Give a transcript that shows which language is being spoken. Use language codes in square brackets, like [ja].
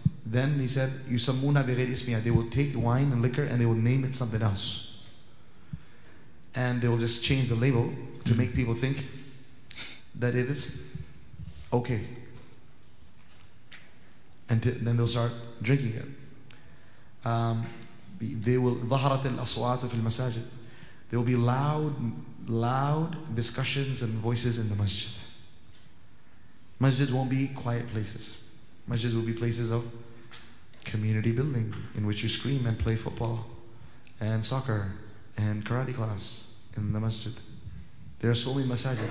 [en] Then he said, [ar] يُسَمُّونَ بِغَيْرِ اسْمِيَةٍ. [en] They will take wine and liquor and they will name it something else. And they will just change the label to make people think that it is okay. And then they'll start drinking it. They will [ar] ظهرت الأصوات في المساجد. [en] There will be loud discussions and voices in the masjid. Masjids won't be quiet places. Masjids will be places of community building in which you scream and play football and soccer and karate class in the masjid. There are so many masajid.